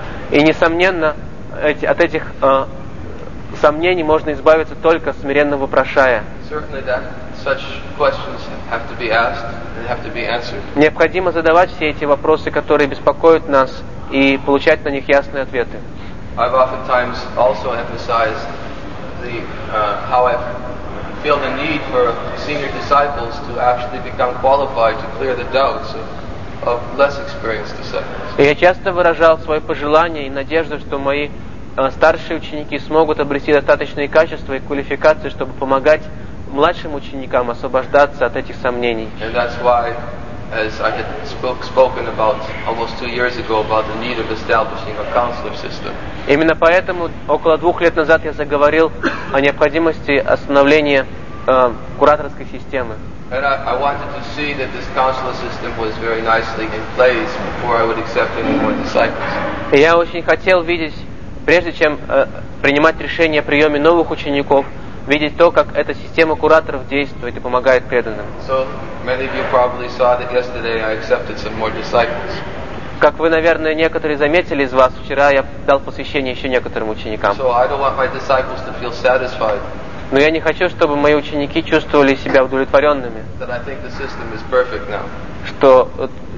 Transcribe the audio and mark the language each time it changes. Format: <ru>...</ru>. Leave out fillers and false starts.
<ru>И несомненно, от этих сомнений можно избавиться только смиренно вопрошая.</ru> <en>Such questions have to be asked and have to be answered.</en> <ru>Необходимо задавать все эти вопросы, которые беспокоят нас, и получать на них ясные ответы.</ru> <en>I've oftentimes also emphasized the how I feel the need for senior disciples to actually become qualified to clear the doubts of less experienced disciples.</en> <ru>Я часто выражал свои пожелания и надежду, что мои старшие ученики смогут обрести достаточные качества и квалификации, чтобы помогать младшим ученикам освобождаться от этих сомнений.</ru> <en>And that's why, as I had spoken about almost 2 years ago about the need of establishing a counselor system.</en> <ru>Именно поэтому около 2 лет назад я заговорил о необходимости остановления кураторской системы.</ru> <en>And I wanted to see that this counselor system was very nicely in place before I would accept any more disciples.</en> <ru>Я очень хотел видеть, прежде чем принимать решение о приеме новых учеников, видеть то, как эта система кураторов действует и помогает преданным.</ru> <en>So, many of you probably saw that yesterday I accepted some more disciples.</en> <ru>Как вы, наверное, некоторые заметили из вас, вчера я дал посвящение еще некоторым ученикам.</ru> <en>So, I don't want my disciples to feel satisfied.</en> <ru>Но я не хочу, чтобы мои ученики чувствовали себя удовлетворенными.</ru> <en>That I think the system is perfect now.</en>